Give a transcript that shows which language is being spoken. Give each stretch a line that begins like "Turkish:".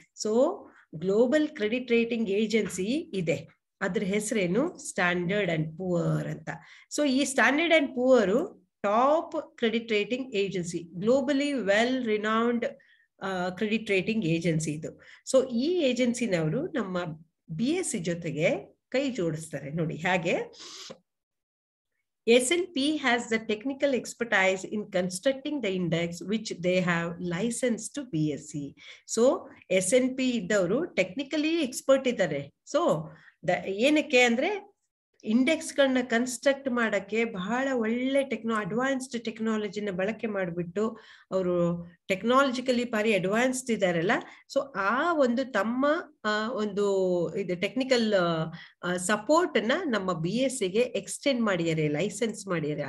Kannada: So global credit rating agency ಇದೆ, ಅದ್ರ ಹೆಸರೇನು ಸ್ಟ್ಯಾಂಡರ್ಡ್ ಅಂಡ್ ಪುವರ್ ಅಂತ. ಸೊ ಈ standard and poor top credit rating agency, globally well renowned credit rating agency ಇದು. So ಈ ಏಜೆನ್ಸಿನವರು ನಮ್ಮ BSE ಜೊತೆಗೆ ಕೈ ಜೋಡಿಸ್ತಾರೆ. ನೋಡಿ ಹಾಗೆ,
English: SNP has the technical expertise in constructing the index which they have licensed to BSE.
Kannada: So SNP ಇದ್ದವರು technically expert ಇದ್ದಾರೆ. ಸೊ ಏನಕ್ಕೆ ಅಂದ್ರೆ, ಇಂಡೆಕ್ಸ್ ಗಳನ್ನ ಕನ್ಸ್ಟ್ರಕ್ಟ್ ಮಾಡಕ್ಕೆ ಬಹಳ ಒಳ್ಳೆ ಅಡ್ವಾನ್ಸ್ಡ್ ಟೆಕ್ನಾಲಜಿನ ಬಳಕೆ ಮಾಡಿಬಿಟ್ಟು ಅವರು ಟೆಕ್ನಾಲಜಿಕಲಿ ಭಾರಿ ಅಡ್ವಾನ್ಸ್ಡ್ ಇದಾರಲ್ಲ, ಸೊ ಆ ಒಂದು ತಮ್ಮ ಒಂದು ಇದು ಟೆಕ್ನಿಕಲ್ ಸಪೋರ್ಟ್ ಅನ್ನ ನಮ್ಮ ಬಿ ಎಸ್ ಸಿಗೆ ಎಕ್ಸ್ಟೆಂಡ್ ಮಾಡಿದ್ದಾರೆ, ಲೈಸೆನ್ಸ್ ಮಾಡಿದ್ದಾರೆ.